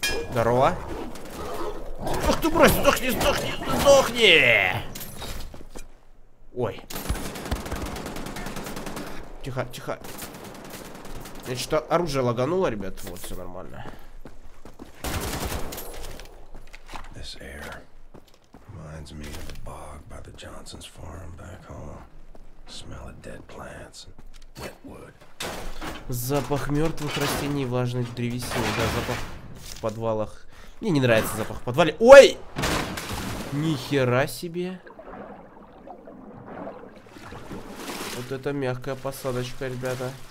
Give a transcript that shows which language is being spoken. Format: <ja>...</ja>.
<ru>Здорово. Ах ты, брось, сдохни, сдохни, сдохни! Ой. Тихо, тихо. Значит, оружие лагануло, ребят. Вот, все нормально.</ru> <en>This air reminds me of the bog by the Johnson's farm back home. Smell of dead plants and wet wood.</en> <ru>Запах мертвых растений и влажной древесины. Да, запах в подвалах. Мне не нравится запах в подвале. Ой! Нихера себе. Вот это мягкая посадочка, ребята.</ru>